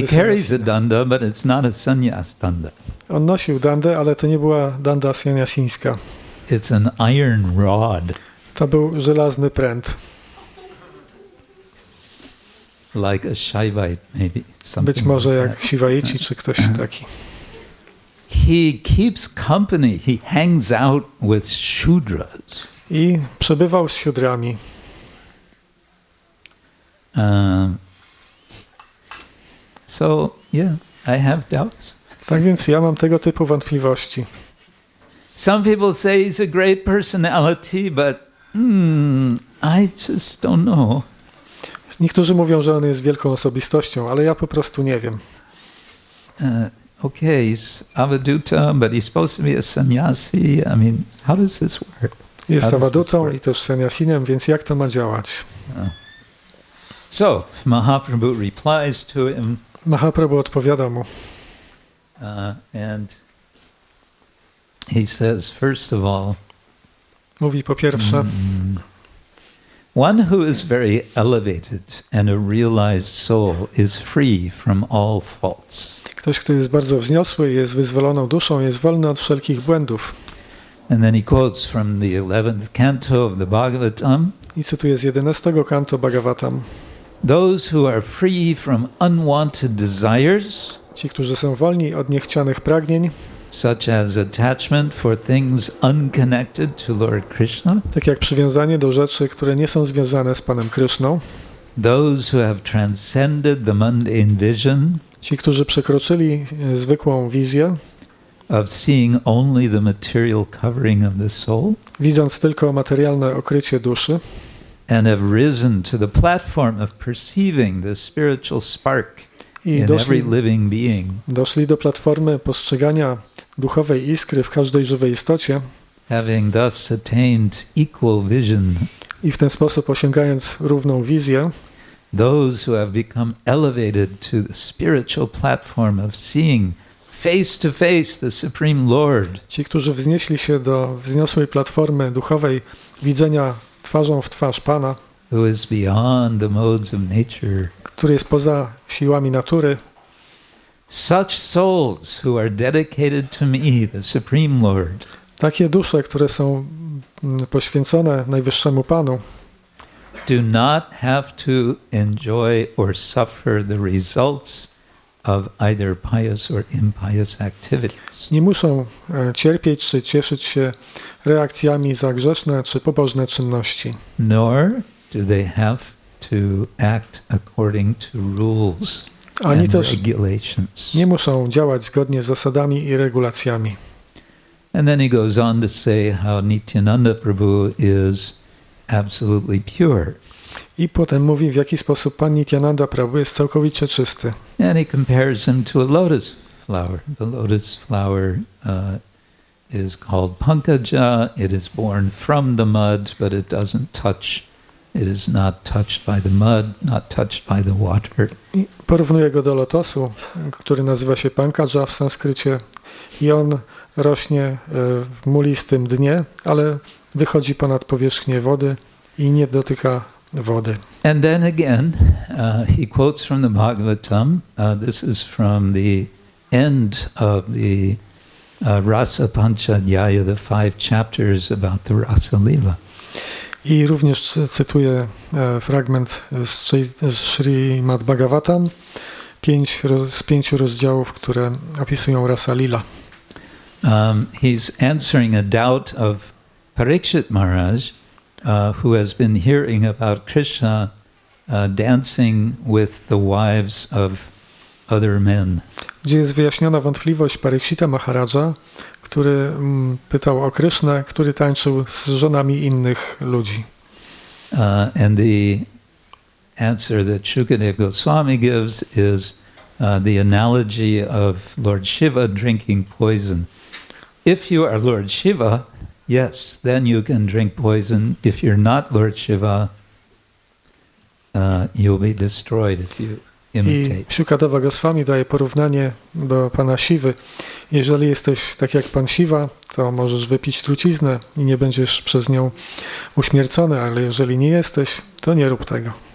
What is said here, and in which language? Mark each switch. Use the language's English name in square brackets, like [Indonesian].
[English] he carries a danda, but it's not a sannyas danda. [Polish] On nosił dandę, ale to nie była danda sannyasińska. [English] It's an iron rod. [Polish] To był żelazny pręt. [English] Like a Shaivite, maybe. Something [Polish] być może [English] like [Polish] jak Shivaici, czy ktoś taki. [English] He keeps company. He hangs out with Shudras. [Polish] I przebywał z Shudrami. [English] So, yeah, I have doubts. [Polish] Tak więc ja mam tego typu wątpliwości. [English] Some people say he's a great personality, but I just don't know. [Polish] Niektórzy mówią, że on jest wielką osobistością, ale ja po prostu nie wiem. [English] Okay, he's avaduta, but he's supposed to be a sannyasi. I mean, how does this work? [Polish] Jest avadutą i też sannyasinem, więc jak to ma działać? [English] So, Mahaprabhu replies to him. [Polish] Mahaprabhu odpowiada mu. [English] And he says, first of all, [Polish] mówi po pierwsze, [English] one who is very elevated and a realized soul is free from all faults. [Polish] Ktoś, kto jest bardzo wzniosły, jest wyzwoloną duszą, jest wolny od wszelkich błędów. [English] And then he quotes from the 11th canto of the Bhagavatam. [Polish] I cytuje z 11 kanto Bhagavatam. [English] Those who are free from unwanted desires, [Polish] ci, którzy są wolni od niechcianych pragnień, [English] such as attachment for things unconnected to Lord Krishna, [Polish] tak jak przywiązanie do rzeczy, które nie są związane z Panem Krishną, [English] those who have transcended the mundane vision, [Polish] ci, którzy przekroczyli zwykłą wizję [English] of seeing only the material covering of the soul, [Polish] widząc tylko materialne okrycie duszy, [English] and have risen to the platform of perceiving the spiritual spark in every living being. [Polish] Doszli do platformy postrzegania duchowej iskry w każdej żywej istocie. [English] Having thus attained equal vision. [Polish] I w ten sposób osiągając równą wizję. [English] Those who have become elevated to the spiritual platform of seeing face to face the Supreme Lord. [Polish] Ci, którzy wznieśli się do wzniosłej platformy duchowej widzenia twarzą w twarz Pana. [English] Who is beyond the modes of nature. [Polish] Który jest poza siłami natury. [English] Such souls who are dedicated to me, the Supreme Lord. [Polish] Takie dusze, które są poświęcone najwyższemu Panu. [English] Do not have to enjoy or suffer the results of either pious or impious activities. [Polish] Nie muszą cierpieć czy cieszyć się reakcjami za grzeszne czy pobożne czynności. [English] Nor do they have to act according to rules [Polish] ani [English] and regulations. [Polish] Nie muszą działać zgodnie z zasadami i regulacjami. [English] And then he goes on to say how Nityananda Prabhu is absolutely pure. [Polish] I potem mówi, w jaki sposób Pan Nityananda Prabhu jest całkowicie czysty. [English] And he compares him to a lotus flower. The lotus flower is called pankaja. It is born from the mud, but it doesn't touch It is not touched by the mud, not touched by the water. [Polish] I porównuje go do lotosu, który nazywa się pankaja w sanskrycie. I on rośnie w mulistym dnie, ale wychodzi ponad powierzchnię wody i nie dotyka wody. [English] And then again, he quotes from the Bhagavatam. This is from the end of the Rasa Panchadhyaya, the five chapters about the Rasa Lila. [Polish] I również cytuję fragment z Śrimad Bhagavatam, z pięciu rozdziałów, które opisują Rasa Lila. [English] He's answering a doubt of Parikshit Maharaj, who has been hearing about Krishna dancing with the wives of other men. [Polish] Gdzie jest wyjaśniona wątpliwość Parikshita Maharaja, który pytał o Krishna, który tańczył z żonami innych ludzi. [English] And the answer that Shukadeva Goswami gives is the analogy of Lord Shiva drinking poison. If you are Lord Shiva, yes, then you can drink poison. If you're not Lord Shiva, you'll be destroyed if you imitate. [Polish] I Shukadeva Goswami daje porównanie do pana Shivy. Jeżeli jesteś tak jak pan Shiva, to możesz wypić truciznę i nie będziesz przez nią uśmiercony, ale jeżeli nie jesteś, to nie rób tego.